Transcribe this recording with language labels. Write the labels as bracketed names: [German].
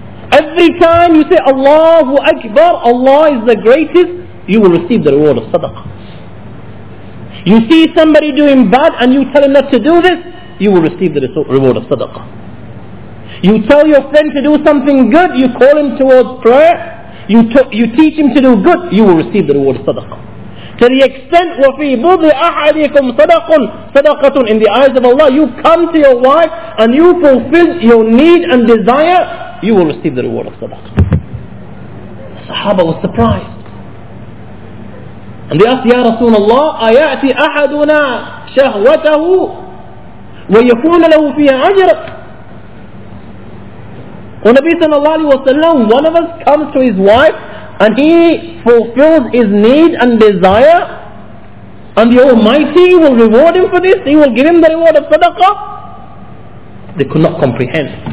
[English] Every time you say Allahu Akbar, Allah is the greatest, you will receive the reward of sadaqah. You see somebody doing bad and you tell him not to do this, you will receive the reward of sadaqah. You tell your friend to do something good, you call him towards prayer, you teach him to do good, you will receive the reward of sadaqah. To the extent, [Arabic] وَفِي بُضْعِ أَحَدِكُمْ صَدَقَةٌ. [English] In the eyes of Allah, you come to your wife and you fulfill your need and desire, you will receive the reward of sadaqah. The Sahaba was surprised. And they asked, [Arabic] Ya Rasulullah, أَيَأْتِ أَحَدُنَا شَهْوَتَهُ وَيَكُونَ لَهُ فِيهَا أَجْرٌ. [English] When Nabi sallallahu alayhi wa sallam, one of us comes to his wife and he fulfills his need and desire, and the Almighty will reward him for this, he will give him the reward of sadaqah. They could not comprehend.